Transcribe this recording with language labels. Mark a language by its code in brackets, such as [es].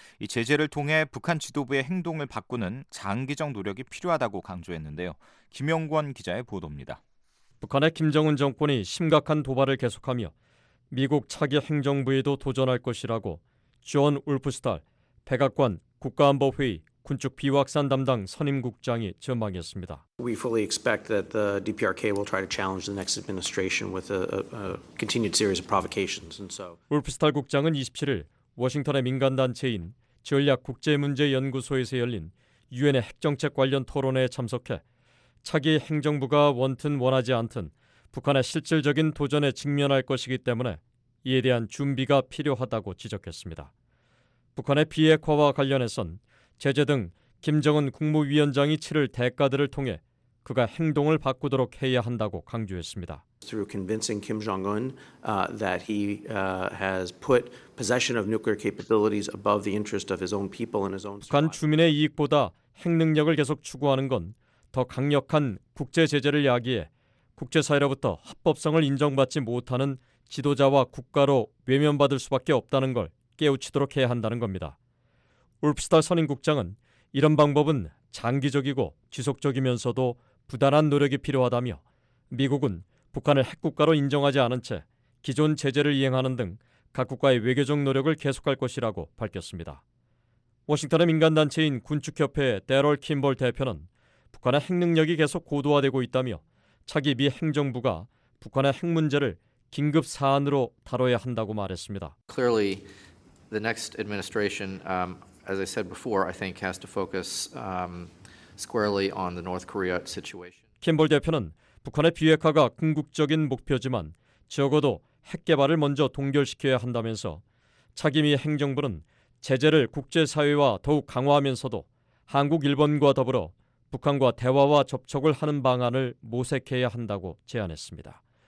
[ko] 이 제재를 통해 북한 지도부의 행동을 바꾸는 장기적 노력이 필요하다고 강조했는데요. 김영권 기자의 보도입니다. 북한의 김정은 정권이 심각한 도발을 계속하며 미국 차기 행정부에도 도전할 것이라고 존 울프스탈 백악관 국가안보회의 군축 비확산 담당 선임 국장이 전망했습니다. [en] We fully expect that the DPRK will try to challenge the next administration with a continued series of provocations. And so, [ko] 울프스탈 국장은 27일 워싱턴의 민간 단체인 전략 국제 문제 연구소에서 열린 UN의 핵 정책 관련 토론회에 참석해 차기 행정부가 원튼 원하지 않든 북한의 실질적인 도전에 직면할 것이기 때문에 이에 대한 준비가 필요하다고 지적했습니다. 북한의 비핵화와 관련해선 제재 등 김정은 국무위원장이 치를 대가들을 통해 그가 행동을 바꾸도록 해야 한다고 강조했습니다. [en] Through convincing Kim Jong-un that he has put possession of nuclear capabilities above the interest of his own people and his own [ko] 북한 주민의 이익보다 핵 능력을 계속 추구하는 건 더 강력한 국제 제재를 야기해 국제사회로부터 합법성을 인정받지 못하는 지도자와 국가로 외면받을 수밖에 없다는 걸 깨우치도록 해야 한다는 겁니다. 울프스탈 선임 국장은 이런 방법은 장기적이고 지속적이면서도 부단한 노력이 필요하다며 미국은 북한을 핵국가로 인정하지 않은 채 기존 제재를 이행하는 등 각 국가의 외교적 노력을 계속할 것이라고 밝혔습니다. 워싱턴의 민간단체인 군축협회의 데럴 킴볼 대표는 북한의 핵 능력이 계속 고도화되고 있다며 차기 미 행정부가 북한의 핵 문제를 긴급 사안으로 다뤄야 한다고 말했습니다. [en] Clearly, the next administration, as I said before, I think has to focus squarely on the North Korea situation. [ko] 킴볼 대표는 북한의 비핵화가 궁극적인 목표지만 적어도 핵 개발을 먼저 동결시켜야 한다면서 차기 미 행정부는 제재를 국제사회와 더욱 강화하면서도 한국, 일본과 더불어 북한과 대화와 접촉을 하는 방안을 모색해야 한다고 제안했습니다.